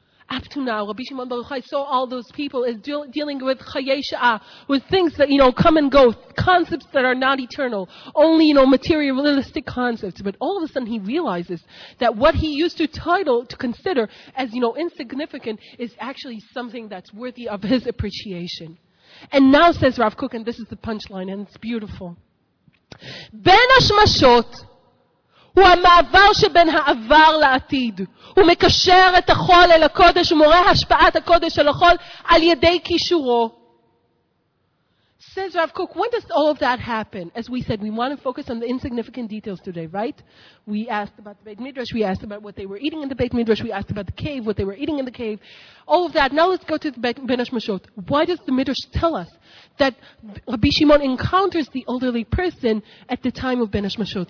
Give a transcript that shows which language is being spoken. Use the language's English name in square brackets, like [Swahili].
[English] Up to now, Rabbi Shimon Baruch Hai saw all those people as dealing with chayei sha'ah, with things that, you know, come and go, concepts that are not eternal, only, you know, materialistic concepts. But all of a sudden he realizes that what he used to consider as, you know, insignificant is actually something that's worthy of his appreciation. And now, says Rav Kook, and this is the punchline, and it's beautiful. [Hebrew] Ben Hashmashot הוא המעבר שבין העבר לעתיד. הוא מקשר את החול אל הקודש, הוא מורה השפעת הקודש על החול על ידי כישורו. [English] Says Rav Kook, when does all of that happen? As we said, we want to focus on the insignificant details today, right? We asked about the Beit Midrash, we asked about what they were eating in the Beit Midrash, we asked about the cave, what they were eating in the cave, all of that. Now let's go to the Ben Hashmashot. Why does the Midrash tell us that Rabbi Shimon encounters the elderly person at the time of Ben Hashmashot?